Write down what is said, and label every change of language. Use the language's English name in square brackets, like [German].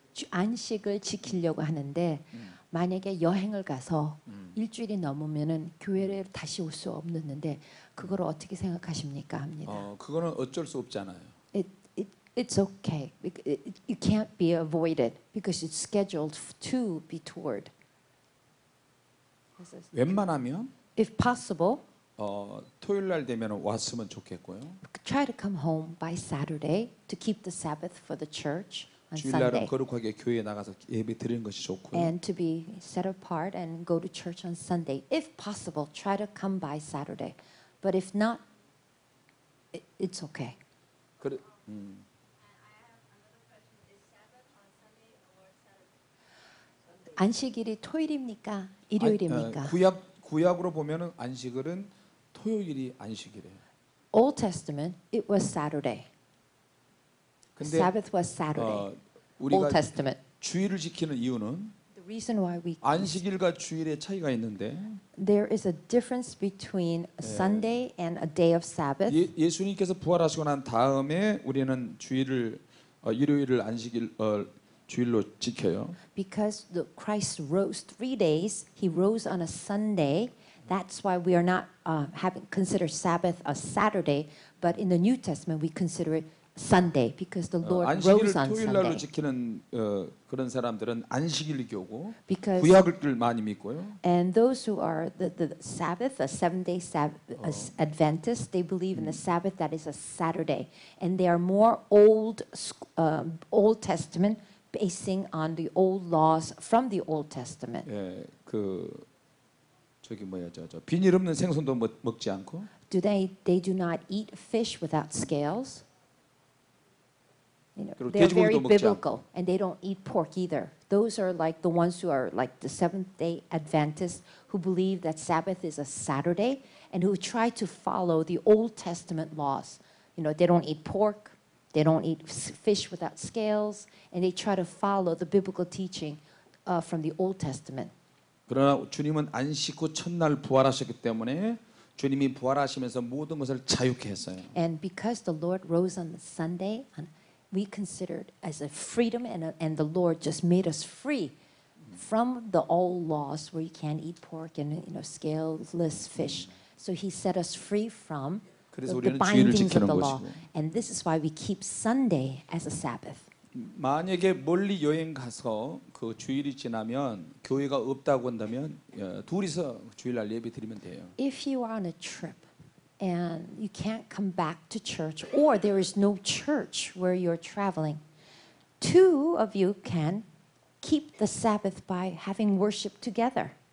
[Korean] 안식을 지키려고 하는데 만약에 여행을 가서 일주일이 넘으면은 교회를 다시 올 수 없는데 그걸 어떻게 생각하십니까 합니다. 그거는 어쩔 수 없잖아요. [English] It's okay. You can't be avoided because it's scheduled to be toured. [Korean] 웬만하면 [English] if possible [Korean] 토요일 날 되면 왔으면 좋겠고요. [English] Try to come home by Saturday to keep the Sabbath for the church. [Korean] 주일날은 거룩하게 교회에 나가서 예배 드리는 것이 좋고요. [English] And to be set apart and go to church on Sunday, if possible, try to come by Saturday. But if not, it's okay. [Korean] 그래, Sunday 안식일이 토요일입니까? 일요일입니까? 구약으로 보면은 안식일은 토요일이 안식일이에요. [English] Old Testament, it was Saturday. [Korean] 근데, [English] Sabbath was Saturday. Old Testament. [Korean] 주일을 지키는 이유는 [English] The reason why we [Korean] 안식일과 주일의 차이가 있는데 [English] There is a difference between a Sunday and a day of Sabbath. [Korean] 예수님께서 부활하시고 난 다음에 우리는 주일을 일요일을 안식일 주일로 지켜요. [English] Because the Christ rose 3 days, he rose on a Sunday. That's why we are not having considered Sabbath a Saturday, but in the New Testament we consider it Sunday because the Lord rose on Sunday. [Korean] 안식일을 토요일날로 지키는 그런 사람들은 안식일 교고 구약을 들 많이 믿고요. [English] And those who are the Sabbath, a seven-day Adventist, they believe in the Sabbath that is a Saturday, and they are more Old Testament, basing on the old laws from the Old Testament. [Korean] 예, 그 저기 뭐야, 저 비닐 없는 생선도 먹지 않고. [English] Do they do not eat fish without scales? You know, they're very biblical, and they don't eat pork either. Those are like the ones who are like the Seventh-day Adventists who believe that Sabbath is a Saturday and who try to follow the Old Testament laws. You know, they don't eat pork, they don't eat fish without scales, and they try to follow the biblical teaching from the Old Testament. [Korean] 그러나 주님은 안식 후 첫날 부활하셨기 때문에 주님이 부활하시면서 모든 것을 자유케 했어요. [English] And because the Lord rose on the Sunday, we considered as a freedom, and the Lord just made us free from the old laws where you can't eat pork and, you know, scaleless fish. So he set us free from the bindings of the law. And this is why we keep Sunday as a Sabbath. [Korean] 만약에 멀리 여행 가서 그 주일이 지나면 교회가 없다고 한다면 둘이서 주일날 예배 드리면 돼요. [English] If you are on a trip and you can't come back to church, or there is no church where you're traveling, two of you can keep the Sabbath by having worship together.